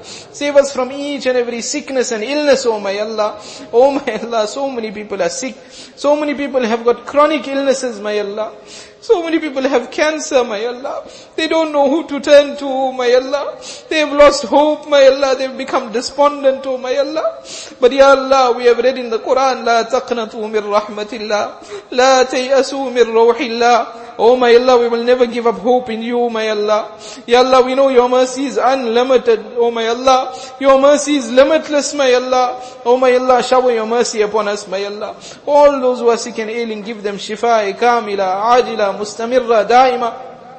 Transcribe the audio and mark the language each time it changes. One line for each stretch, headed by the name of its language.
English: Save us from each and every sickness and illness, O my Allah. O my Allah, so many people are sick. So many people have got chronic illnesses, my Allah. So many people have cancer, my Allah. They don't know who to turn to, oh my Allah. They have lost hope, my Allah. They have become despondent, oh my Allah. But ya Allah, we have read in the Quran,
Arabic: لا تقنطوا من رحمة الله لا تيأسوا من روح الله.
English: Oh my Allah, we will never give up hope in you, my Allah. Ya Allah, we know your mercy is unlimited, oh my Allah. Your mercy is limitless, my Allah. Oh my Allah, shower your mercy upon us, my Allah. All those who are sick and ailing, give them shifa, kamila, ajila, mustamirra, daima.